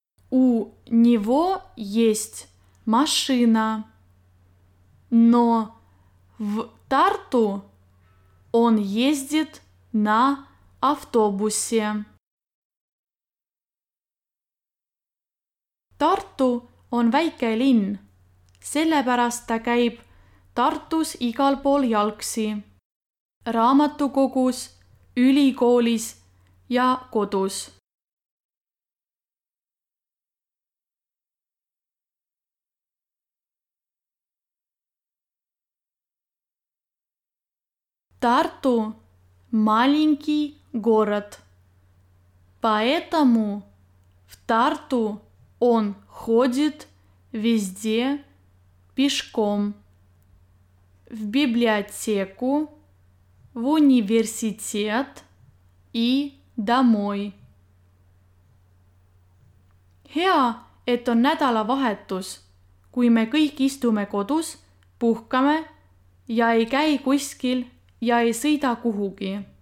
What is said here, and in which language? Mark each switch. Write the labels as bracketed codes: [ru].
[ru] У него есть машина, но в Тарту он ездит на автобусе. [et] Tartu on väike linn, sellepärast ta käib Tartus igal pool jalgsi, raamatukogus, ülikoolis ja kodus. [ru] Tartu – маленький город, поэтому в Tartu он ходит везде пешком. В библиотеку, в университет и домой. [et] Hea, et on nädala vahetus, kui me kõik istume kodus, puhkame ja ei käi kuskil ja ei sõida kuhugi.